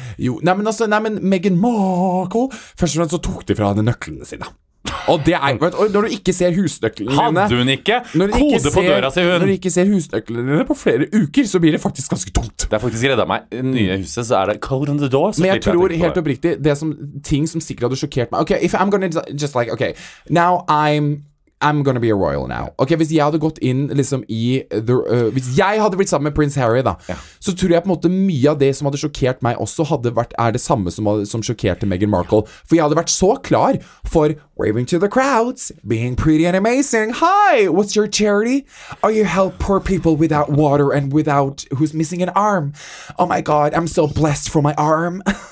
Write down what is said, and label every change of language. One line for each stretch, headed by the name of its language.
Norwegian: Jo, nei, men altså, nei, men Meghan Markle, først og fremst så tok de fra henne nøklene sine. Og det er, vet du, når du ikke ser husnøklene dine. Hadde hun ikke? Kode på døra, sier hun. Når du ikke ser husnøklene dine på flere uker, så blir det faktisk ganske tomt. Det er faktisk redd av meg. I nye huset så er det
English: code on the door.
Norwegian: Men jeg tror helt oppriktig, det som, ting som sikkert hadde sjokkert meg.
English: Okay, if I'm gonna just like, okay, now I'm gonna be a royal now.
Norwegian: Okay, hvis jeg hadde gått inn liksom i the, hvis jeg hadde blitt sammen med Prince Harry da, ja, så tror jeg på en måte mye av det som hadde sjokkert meg også hadde vært, er det samme som, sjokkerte Meghan Markle. For jeg hadde vært så klar for
English: waving to the crowds, being pretty and amazing. Hi, what's your charity? Are you help poor people without water and without, who's missing an arm? Oh my god, I'm so blessed for my arm.